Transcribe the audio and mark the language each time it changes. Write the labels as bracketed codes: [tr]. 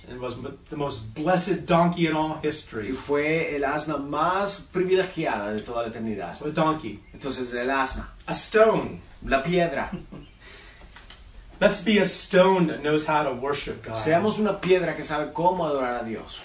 [en] and was the most blessed donkey in all history, [es] y fue el asna más privilegiada de toda la eternidad. [en] So a donkey, [es] entonces el asna, [en] a stone, [es] la piedra. [en] Let's be a stone that knows how to worship God. [es] Seamos una piedra que sabe cómo adorar a Dios.